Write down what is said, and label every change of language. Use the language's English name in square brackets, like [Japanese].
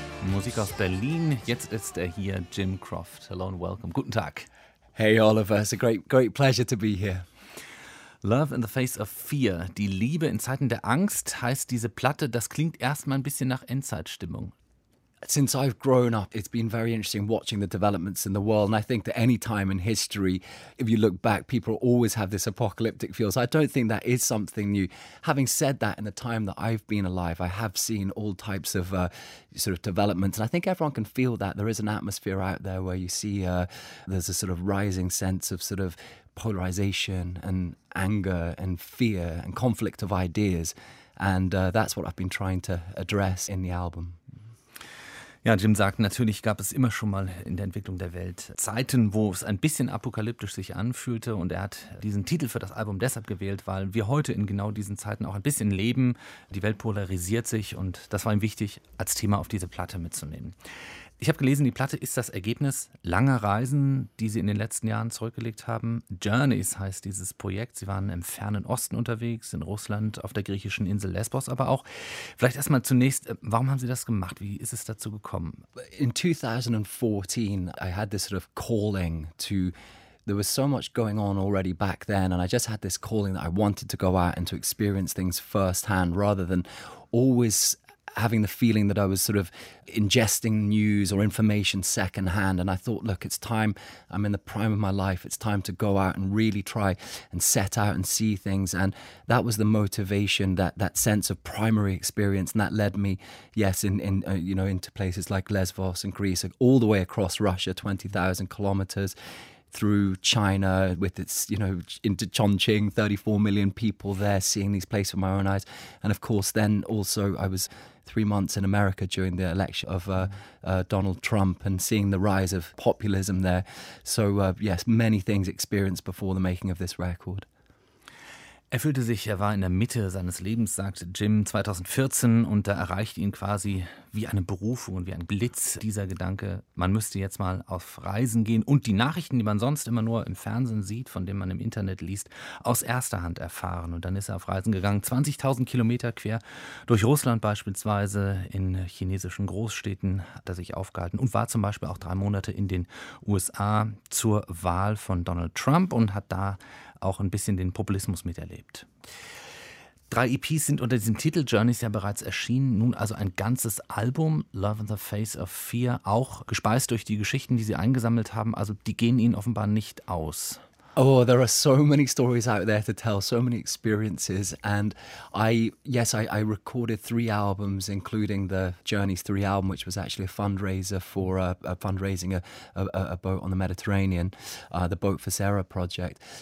[German] Musik aus Berlin, jetzt ist er hier, Jim Croft. [English] Hello and welcome. [German] Guten Tag. [English] Hey Oliver, it's a great, great pleasure to be here. [German] Love in the Face of Fear, die Liebe in Zeiten der Angst, heißt diese Platte. Das klingt erstmal ein bisschen nach Endzeitstimmung. [English] Since I've grown up, it's been very interesting watching the developments in the world. And I think that any time in history, if you look back, people always have this apocalyptic feel. So I don't think that is something new. Having said that, in the time that I've been alive, I have seen all types of sort of developments. And I think everyone can feel that. There is an atmosphere out there where you see there's a sort of rising sense of sort of polarization and anger and fear and conflict of ideas. And that's what I've been trying to address in the album. [German] Ja, Jim sagt, natürlich gab es immer schon mal in der Entwicklung der Welt Zeiten, wo es ein bisschen apokalyptisch sich anfühlte. Und er hat diesen Titel für das Album deshalb gewählt, weil wir heute in genau diesen Zeiten auch ein bisschen leben. Die Welt polarisiert sich und das war ihm wichtig, als Thema auf diese Platte mitzunehmen. Ich habe gelesen, die Platte ist das Ergebnis langer Reisen, die Sie in den letzten Jahren zurückgelegt haben. Journeys heißt dieses Projekt. Sie waren im fernen Osten unterwegs, in Russland, auf der griechischen Insel Lesbos, aber auch. Vielleicht erstmal zunächst, warum haben Sie das gemacht? Wie ist es dazu gekommen? [English] In 2014, I had this sort of calling to. There was so much going on already back then, and I just had this calling that I wanted to go out and to experience things firsthand rather than always having the feeling that I was sort of ingesting news or information secondhand. And I thought, look, it's time. I'm in the prime of my life. It's time to go out and really try and set out and see things. And that was the motivation, that sense of primary experience. And that led me, yes, in into places like Lesbos and Greece, all the way across Russia, 20,000 kilometers through China with its, you know, into Chongqing, 34 million people there seeing these places with my own eyes. And of course, then also I was 3 months in America during the election of Donald Trump and seeing the rise of populism there. So yes, many things experienced before the making of this record. [German] Er fühlte sich, er war in der Mitte seines Lebens, sagte Jim 2014, und da erreichte ihn quasi wie eine Berufung und wie ein Blitz dieser Gedanke, man müsste jetzt mal auf Reisen gehen und die Nachrichten, die man sonst immer nur im Fernsehen sieht, von denen man im Internet liest, aus erster Hand erfahren. Und dann ist er auf Reisen gegangen, 20.000 Kilometer quer durch Russland beispielsweise, in chinesischen Großstädten hat er sich aufgehalten und war zum Beispiel auch 3 Monate in den USA zur Wahl von Donald Trump und hat da auch ein bisschen den Populismus miterlebt. 3 EPs sind unter diesem Titel Journeys ja bereits erschienen. Nun also ein ganzes Album, Love in the Face of Fear, auch gespeist durch die Geschichten, die Sie eingesammelt haben. Also die gehen Ihnen offenbar nicht aus. [English] Oh, there are so many stories out there to tell, so many experiences. And I recorded 3 albums, including the Journeys 3 album, which was actually a fundraiser for a boat on the Mediterranean, the Boat for Sarah project.